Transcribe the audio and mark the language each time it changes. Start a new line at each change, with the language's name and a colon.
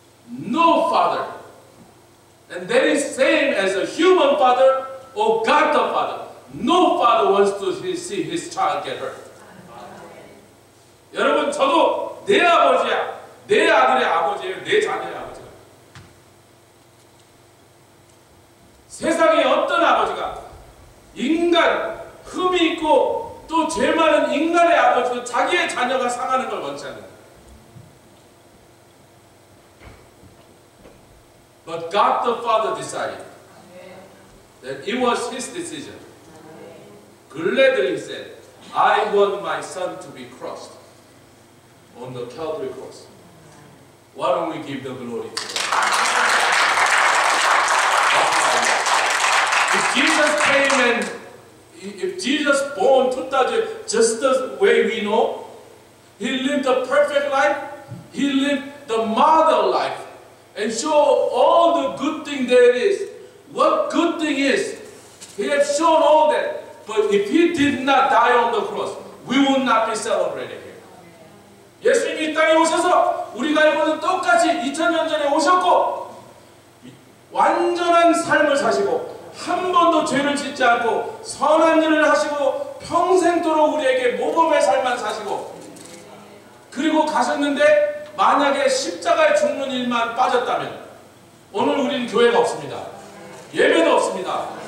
English: No father. And that is same as a human father or God the father. No father wants to see his child get hurt.
Korean: 여러분, 저도 내 아버지야. 내 아들의 아버지예요. 내 자녀의 아버지가. 세상에 어떤 아버지가 인간, 흠이 있고 또 죄 많은 인간의 아버지도 자기의 자녀가 상하는 걸 원치 않는다.
English: But God the Father decided that it was his decision. Gladly he said, I want my son to be crossed on the Calvary cross. Why don't we give the glory to God? If Jesus came and if Jesus born 2000 just the way we know, he lived a perfect life, he lived the model life, and show all the good thing there is. What good thing is? He has shown all that. But if he did not die on the cross, we would not be celebrating here.
Korean: 예수님이 이 땅에 오셔서 우리가 이번에 똑같이 2000년 전에 오셨고 완전한 삶을 사시고 한 번도 죄를 짓지 않고 선한 일을 하시고 평생토록 우리에게 모범의 삶만 사시고 그리고 가셨는데 만약에 십자가에 죽는 일만 빠졌다면 오늘 우리는 교회가 없습니다. 예배도 없습니다.